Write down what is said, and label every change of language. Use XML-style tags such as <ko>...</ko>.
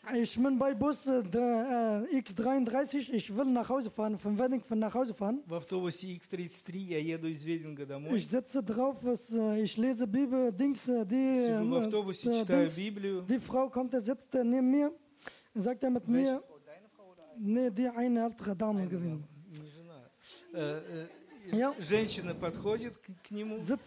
<de>Ich bin bei Bus X33, ich will nach Hause fahren, von Wedding von nach Hause fahren.</de> <ru>В автобусе X33 я еду из Веддинга домой.</ru> <de>Ich sitze drauf, ich lese Bibel, Dings, die...</de> <ru>Сижу в автобусе, читаю Библию.</ru> <de>Die Frau kommt, sitzt neben mir, sagt mit Welche mir... Deine Frau oder eine? Nee, die eine ältere Dame gewesen.</de> <ru>Не жена. женщина подходит к нему.</ru>